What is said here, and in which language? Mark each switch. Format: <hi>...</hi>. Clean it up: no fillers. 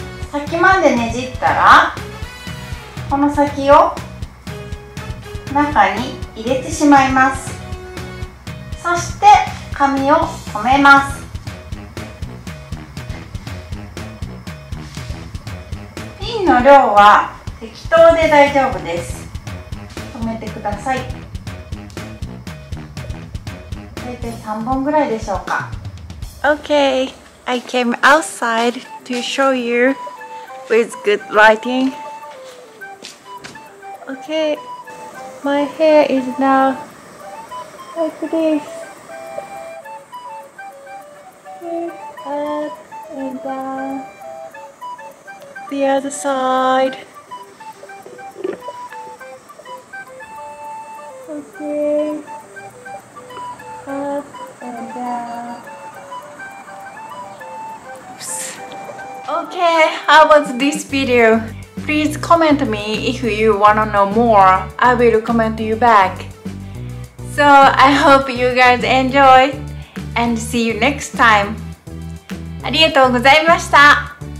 <ja>先までねじったら、この先を中に入れてしまいます。そして髪を留めます。の量は適当で大丈夫です。止めてください。大体3本ぐらいでしょうか。</ja> <en>Okay, I came outside to show you with good lighting. Okay, my hair is now like this. Up and down. The other side. Okay. Up and down. Okay, how was this video? Please comment me if you wanna know more. I will comment you back. So I hope you guys enjoy and see you next time.</en> <ja>ありがとうございました。</ja>